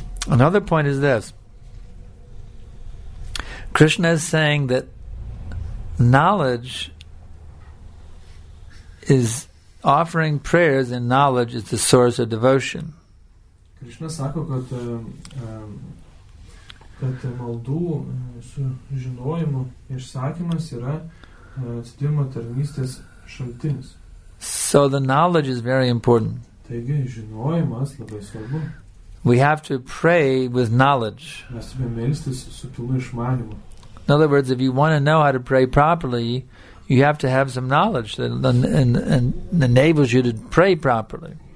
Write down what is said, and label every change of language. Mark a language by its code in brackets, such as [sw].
[en] Another point is this. Krishna is saying that knowledge is offering prayers, and knowledge is the source of devotion. [lt] Krishna sako kad kad maldų su žinojimu išsakymas yra atsidėjimo tarnystės šaltinis. [en] So the knowledge is very important. [lt] Taigi žinojimas labai svarbu. [en] We have to pray with knowledge. [lt] Mes turime melstis su pilnu išmanimu. [en] In other words, if you want to know how to pray properly, you have to have some knowledge that and enables you to pray properly.